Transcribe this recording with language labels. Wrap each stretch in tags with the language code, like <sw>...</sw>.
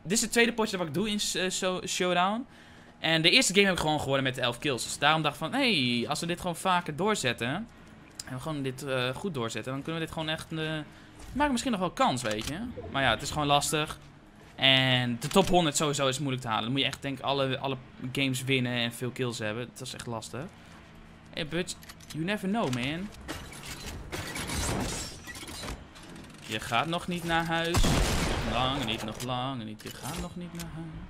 <nl>Dit is het tweede potje dat ik doe in Showdown. En de eerste game heb ik gewoon gewonnen met 11 kills. Dus daarom dacht ik van, hé, hey, als we dit gewoon vaker doorzetten. En we gewoon dit goed doorzetten, dan kunnen we dit gewoon echt... maakt misschien nog wel kans, weet je. Maar ja, het is gewoon lastig. En de top 100 sowieso is moeilijk te halen. Dan moet je echt denk alle games winnen en veel kills hebben. Dat is echt lastig.</nl> <en>Hey, Butch, you never know, man.</en> <nl>Je gaat nog niet naar huis. Lang niet, nog lang niet. Je gaat nog niet naar huis.</nl>